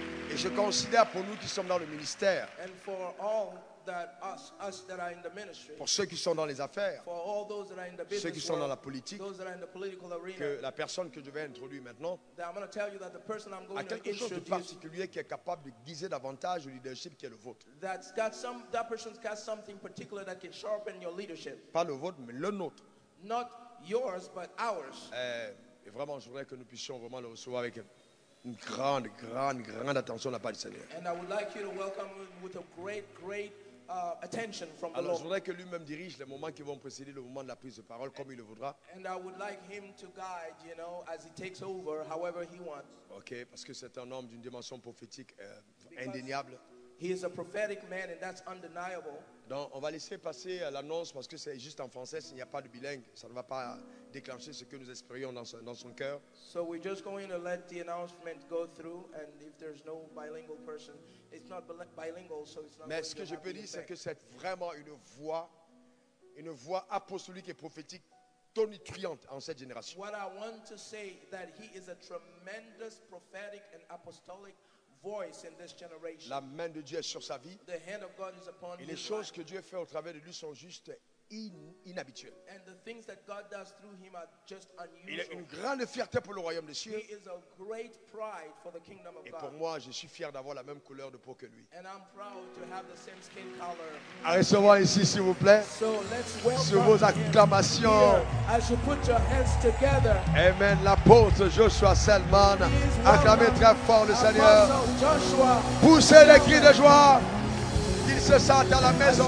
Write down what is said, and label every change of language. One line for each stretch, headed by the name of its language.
French: Et je considère pour nous qui sommes dans le ministère.
English: And for all that us that are in the ministry,
French: pour ceux qui sont dans les affaires,
English: for all those that are in the business,
French: ceux qui sont
English: world,
French: dans la politique,
English: those that are in the political arena,
French: que la personne que je vais introduire maintenant
English: I'm going to tell you that the person I'm going
French: a quelque
English: to introduce,
French: chose de particulier qui est capable de guiser davantage le leadership qui est le vôtre.
English: That's got some, that person's got something particular that can sharpen your leadership.
French: Pas le vôtre, mais le nôtre.
English: Not yours, but ours.
French: Et vraiment, je voudrais que nous puissions vraiment le recevoir avec une grande, grande, grande attention de la part du Seigneur.
English: And I would like you to welcome with a great, great attention from
French: Alors, je voudrais que lui-même dirige les moments qui vont précéder le moment de la prise de parole comme il le voudra.
English: And I would like him to guide, you know, as he takes over, however he wants.
French: Okay, parce que c'est un homme d'une dimension prophétique indéniable.
English: He is a prophetic man, and that's undeniable.
French: Donc, on va laisser passer l'annonce parce que c'est juste en français. S'il n'y a pas de bilingue, ça ne va pas déclencher ce que nous espérions dans son cœur.
English: So we're just going to let the announcement go through, and if there's no bilingual person. It's not bilingual, so it's not
French: Mais ce que je peux dire, c'est que c'est vraiment une voix apostolique et prophétique tonitruante en cette génération.
English: What I want to say that he is a tremendous prophetic and apostolic voice in this generation.
French: La main de Dieu est sur sa vie.
English: The hand of God is upon
French: et les choses que Dieu fait au travers de lui sont juste inhabituelles.
English: And the things that God does through him are just unusual.
French: Il a une grande fierté pour le royaume des cieux.
English: He is a great pride for the kingdom of
French: Et pour
English: God.
French: Moi, je suis fier d'avoir la même couleur de peau que lui.
English: And I'm proud to have the same skin color.
French: À recevoir ici, s'il vous plaît.
English: So let's welcome
French: sur vos acclamations.
English: Here, as you put your hands together.
French: Amen. L'apôtre Joshua Selman. Acclamez très fort le Seigneur.
English: Joshua.
French: Poussez les cris de joie. Qu'il se sente à la maison.